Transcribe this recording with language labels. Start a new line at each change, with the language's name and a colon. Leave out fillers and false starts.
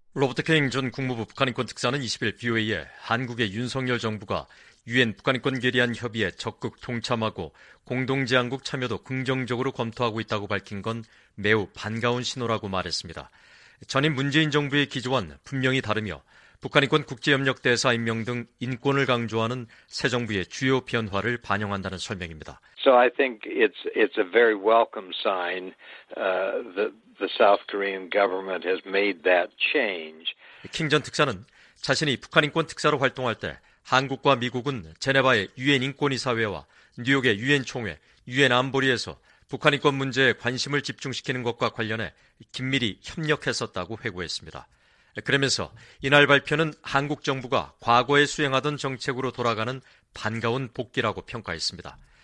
Korean: 로버트 케잉 전 국무부 북한인권 특사는 20일 BOA에 한국의 윤석열 정부가 유엔 북한인권 결의안 협의에 적극 동참하고 공동제안국 참여도 긍정적으로 검토하고 있다고 밝힌 건 매우 반가운 신호라고 말했습니다. 전임 문재인 정부의 기조와는 분명히 다르며 북한인권 국제협력대사 임명 등 인권을 강조하는 새 정부의 주요 변화를 반영한다는 설명입니다.
English: So I think it's a very welcome sign the South Korean government has made that change.
Korean: 킹 전 특사는 자신이 북한인권 특사로 활동할 때 한국과 미국은 제네바의 유엔 인권이사회와 뉴욕의 유엔 총회, 유엔 안보리에서 북한인권 문제에 관심을 집중시키는 것과 관련해 긴밀히 협력했었다고 회고했습니다. 그러면서 이날 발표는 한국 정부가 과거에 수행하던 정책으로 돌아가는 반가운 복귀라고 평가했습니다.